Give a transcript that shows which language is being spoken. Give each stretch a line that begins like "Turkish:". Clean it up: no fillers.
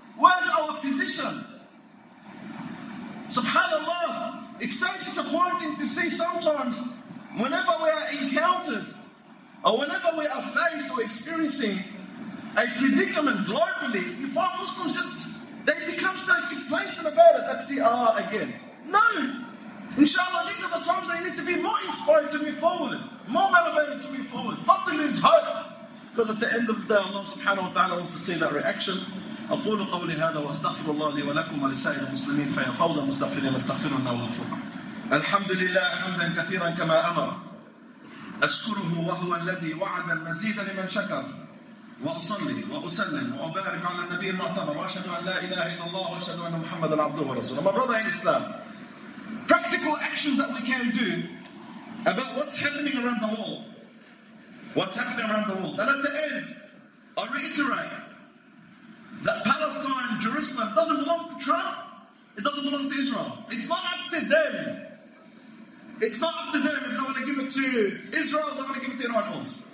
English: Where's our position? Subhanallah, it's so disappointing to see sometimes whenever we are encountered or whenever we are faced or experiencing a predicament globally, you find Muslims just, they become so complacent about it, that's CR again. No! Inshallah, these are the times that you need to be more inspired to move forward, more motivated to move forward, not to lose hope. Because at the end of the day, Allah subhanahu wa ta'ala wants to see that reaction.
Arabic: أقول قولي هذا وأستغفر الله لي ولكم ولسائر المسلمين فيا فوز المستغفرين استغفر الله وغفر الحمد لله حمدا كثيرا كما أمر أشكره وهو الذي وعد المزيد لمن شكر وأصلي وأسلم وأبارك على النبي المعتمد وأشهد أن لا إله إلا الله وأشهد أن محمد عبده ورسوله.
English: My brother in Islam, practical actions that we can do about what's happening around the world. What's happening around the world. And at the end, I reiterate that Palestine, Jerusalem, doesn't belong to Trump. It doesn't belong to Israel. It's not up to them. It's not up to them if they want to give it to Israel, they want to give it to anyone else.